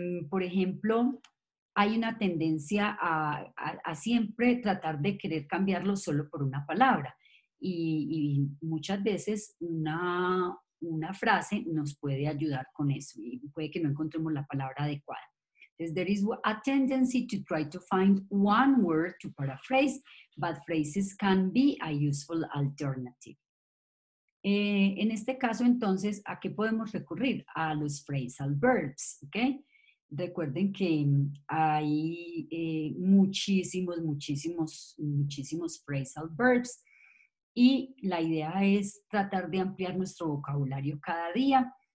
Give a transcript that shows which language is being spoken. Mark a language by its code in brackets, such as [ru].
[es] Por ejemplo, hay una tendencia a siempre tratar de querer cambiarlo solo por una palabra. Y muchas veces una frase nos puede ayudar con eso. Y puede que no encontremos la palabra adecuada. Entonces, [en] there is a tendency to try to find one word to paraphrase, but phrases can be a useful alternative. [es] En este caso, entonces, ¿a qué podemos recurrir? A los phrasal verbs, ¿ok? Recuerden que hay muchísimos phrasal verbs y la idea es tratar de ampliar nuestro vocabulario cada día.